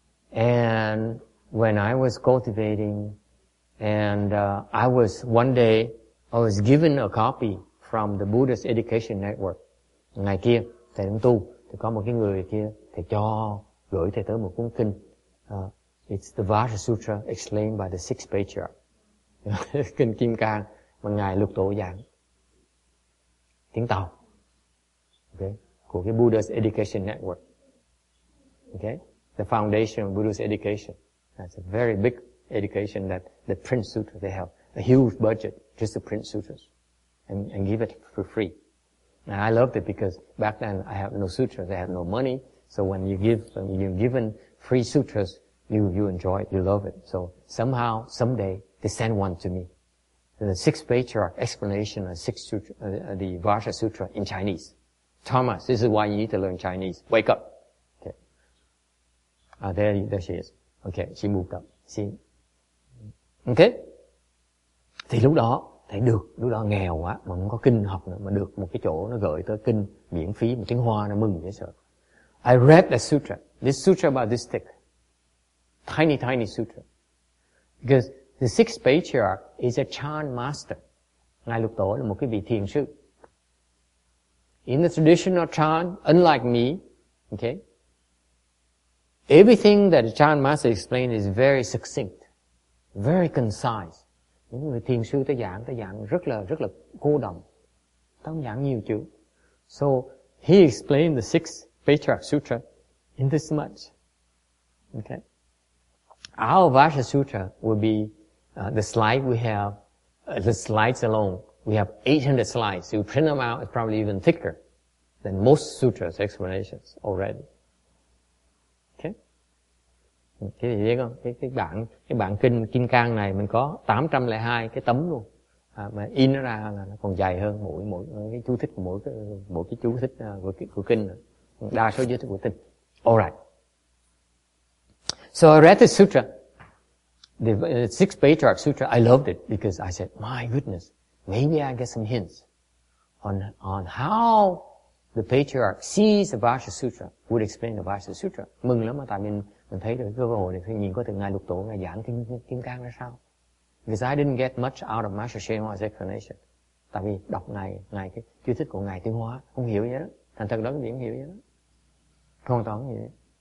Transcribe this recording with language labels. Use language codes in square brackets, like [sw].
[en] And when I was cultivating, and I was one day, I was given a copy from the Buddhist Education Network. [vi] Ngày kia, thầy đang tu, thì có một cái người kia, thầy cho, gửi thầy tới một cuốn kinh. [en] It's the Vajra Sutra explained by the sixth patriarch. [vi] Kinh Kim Cang. Một ngày lục tổ giảng tiếng Tàu, okay, của cái Buddhist Education Network, okay, [en] the foundation of Buddhist education. That's a very big education that the print sutra they have a huge budget just to print sutras and give it for free. And I loved it because back then I have no sutras, I have no money. So when you give, when you're given free sutras, you enjoy it, you love it. So somehow, someday, they send one to me. The sixth patriarch explanation of sixth sutra, the Vajra Sutra in Chinese. Thomas, this is why you need to learn Chinese. Wake up. Okay. There she is. Okay, she moved up. See? Okay? [vi] Thì lúc đó, thấy được, lúc đó nghèo quá, mà không có kinh học nữa, mà được một cái chỗ nó gửi tới kinh miễn phí, mà tiếng Hoa nó mừng dễ sợ. [en] I read the sutra, this sutra about this thick, tiny, tiny sutra. Because the sixth patriarch is a chan master. [vi] Ngài Lục Tổ là một cái vị thiền sư. [en] In the tradition of chan, unlike me, okay, everything that a chan master explains is very succinct, very concise. [vi] Những người thiền sư ta giảng rất là cô đọng. Ta không giảng nhiều chữ. [en] So, he explained the sixth patriarch sutra in this much. Okay? Our Vajra Sutra will be the slide we have, the slides alone. We have 800 slides. So you print them out, it's probably even thicker than most sutras explanations already. [vi] Thế thì thấy không? Cái bản kinh Kim Cang này mình có 802 cái tấm luôn. Mà in nó ra là nó còn dài hơn mỗi cái chú thích của mỗi cái chú thích của kinh nữa. Đa số chú thích của kinh. [en] All right. So I read the sutra, the sixth patriarch sutra. I loved it because I said, my goodness, maybe I get some hints on how the patriarch sees the Vajra Sutra, would explain the Vajra Sutra. [vi] Mừng lắm mà tại mình thấy được cái cơ hội để nhìn có từ Ngài Lục Tổ, Ngài giảng Kim Cang ra sao. [en] Because I didn't get much out of Master Shen Hoa's explanation. [vi] Tại vì đọc Ngài cái chú thích của Ngài Tiếng Hoa, không hiểu gì đó. Thành thật đó, cái gì không hiểu gì đó. Hoàn toàn không hiểu gì đó.